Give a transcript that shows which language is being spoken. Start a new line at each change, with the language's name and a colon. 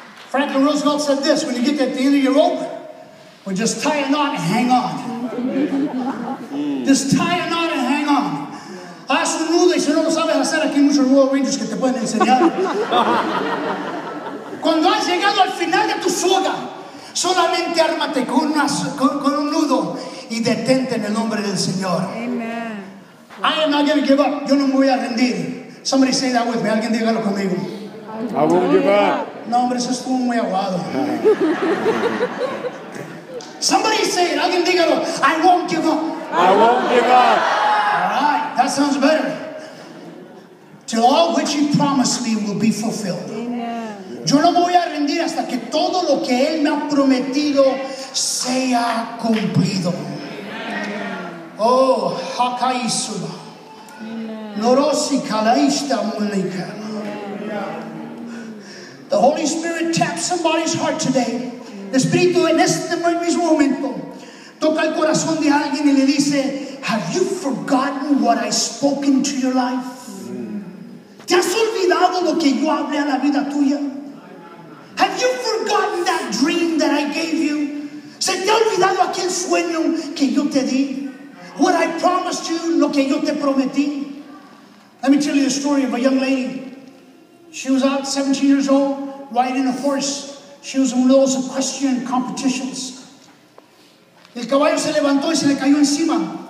English: Franklin Roosevelt said this: when you get to the end of your rope, well, just tie a knot and hang on. Just tie a knot and hang on.
Spanish: Haz un nudo, y si no lo sabes hacer, aquí hay muchos Royal Rangers que te pueden enseñar. Cuando has llegado al final de tu soga, solamente ármate con, con un nudo y detente en el nombre del Señor. Amen.
English: I am not going to give up.
Spanish: Yo no me voy a rendir.
English: Somebody say that with me.
Spanish: Alguien dígalo conmigo.
English: I won't give up.
Spanish: No, hombre, eso estuvo muy aguado.
English: Somebody say it.
Spanish: Alguien dígalo.
English: I won't give up. I won't give up. That sounds better. Till all which he promised me will be fulfilled. Amen.
Spanish: Yo no me voy a rendir hasta que todo lo que él me ha prometido sea cumplido. Amen. Oh, hakaisula. Norosi kalaista mulika.
English: The Holy Spirit taps somebody's heart today.
Spanish: El Espíritu en este mismo momento toca el corazón de alguien y le dice,
English: have you forgotten what I spoke into your life?
Spanish: ¿Te has olvidado lo que yo hablé a la vida tuya?
English: Have you forgotten that dream that I gave you?
Spanish: ¿Se te ha olvidado aquel sueño que yo te di?
English: What I promised you,
Spanish: lo que yo te prometí.
English: Let me tell you the story of a young lady. She was out 17 years old, riding a horse. She was in one of those equestrian competitions.
Spanish: El caballo se levantó y se le cayó encima.